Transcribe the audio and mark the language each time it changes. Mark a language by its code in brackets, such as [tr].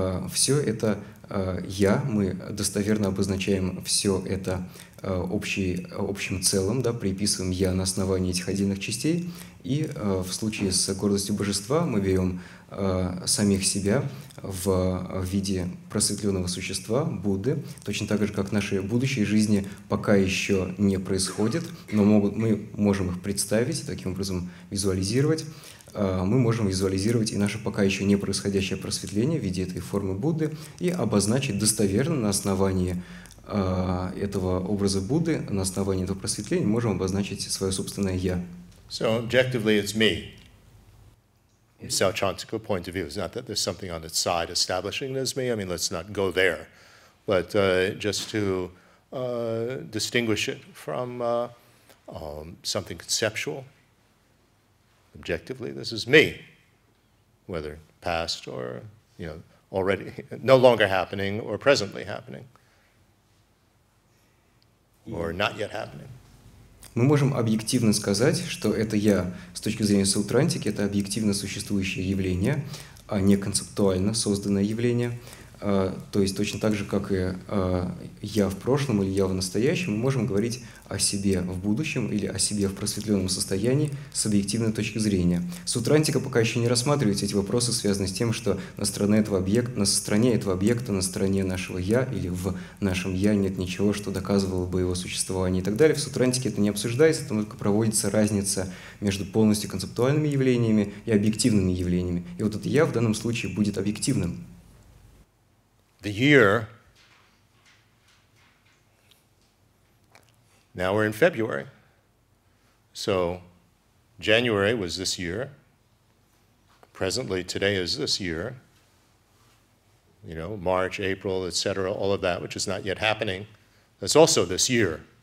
[ru] все это «я», мы достоверно обозначаем все это общим целым, да, приписываем «я» на основании этих отдельных частей, и в случае с гордостью божества мы берем самих себя в виде просветленного существа, Будды, точно так же, как наши будущие жизни пока еще не происходят, но мы можем их представить, таким образом визуализировать. Мы можем визуализировать и наше пока еще не происходящее просветление в виде этой формы Будды и обозначить достоверно на основании этого образа Будды, на основании этого просветления, можем обозначить свое собственное «я». [en] So, objectively, it's me. From Sauchantika point of view, it's not that there's something on its side establishing it as me. I mean, let's not go there. But just to distinguish it from something conceptual, objectively, this is me, whether past or, you know, already, no longer happening or presently happening, or not yet happening. [ru] Мы можем объективно сказать, что это «я» с точки зрения Саутрантики, это объективно существующее явление, а не концептуально созданное явление. То есть точно так же, как и «я» в прошлом или «я» в настоящем, мы можем говорить о себе в будущем или о себе в просветленном состоянии с объективной точки зрения. Саутрантика пока еще не рассматривает эти вопросы, связанные с тем, что на стороне этого объекта, на стороне нашего «я» или в нашем «я» нет ничего, что доказывало бы его существование и так далее. В Саутрантике это не обсуждается, там только проводится разница между полностью концептуальными явлениями и объективными явлениями. И вот это «я» в данном случае будет объективным. [en] The year, now we're in February, so January was this year, presently today is this year, you know, March, April, etc., all of that, which is not yet happening, that's also this year.